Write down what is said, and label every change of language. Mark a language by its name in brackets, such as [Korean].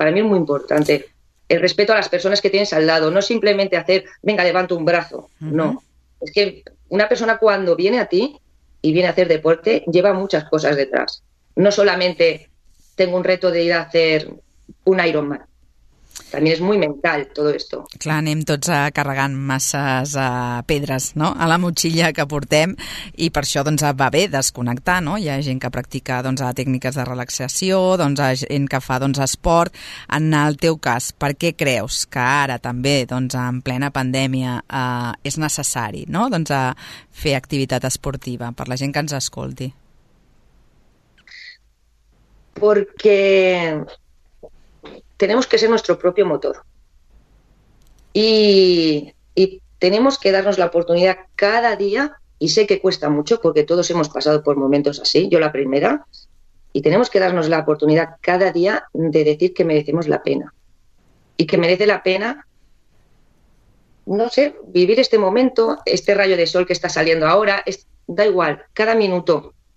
[Spanish] Para mí es muy importante el respeto a las personas que tienes al lado, no simplemente hacer, venga, levanto un brazo, uh-huh, no. Es que una persona cuando viene a ti y viene a hacer deporte, lleva muchas cosas detrás. No solamente tengo un reto de ir a hacer un Ironman. También es muy mental todo esto. [Catalan] Clar, anem tots carregant masses pedres, no?, a la motxilla que portem, i per això doncs va bé desconnectar, no? Hi ha gent que practica doncs tècniques de relaxació, doncs gent que fa doncs esport. En el teu cas, per què creus que ara també doncs en plena pandèmia és necessari, no?, doncs fer activitat esportiva per la gent que ens escolti? [Spanish] Porque tenemos que ser nuestro propio motor y tenemos que darnos la oportunidad cada día, y sé que cuesta mucho porque todos hemos pasado por momentos así, yo la primera, y tenemos que darnos la oportunidad cada día de decir que merecemos la pena y que merece la pena, no sé, vivir este momento, este rayo de sol que está saliendo ahora, da igual, cada minuto.